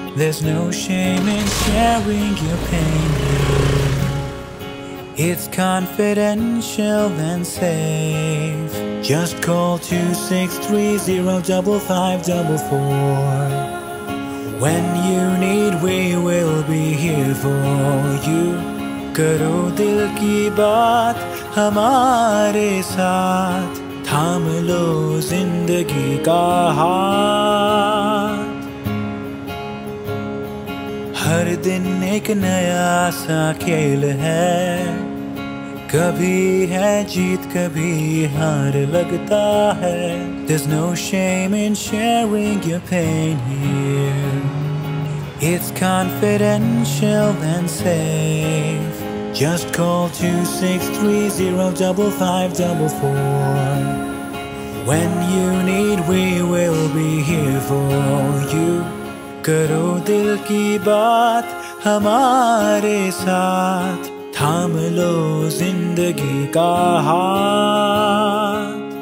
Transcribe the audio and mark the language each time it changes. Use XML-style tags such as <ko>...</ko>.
<en>There's no shame in sharing your pain. It's confidential and safe. Just call 2630-5544. When you need, we will be here for you.</en> <hi>करो दिल की बात हमारे साथ. थाम लो जिंदगी का हाथ. हर दिन एक नया सा खेल है. कभी है जीत कभी हार लगता है.</hi> <en>There's no shame in sharing your pain here. It's confidential and safe. Just call 2630-5544. When you need, we will be here for you.</en> <hi>करो दिल की बात हमारे साथ. थाम लो जिंदगी का हाथ.</hi>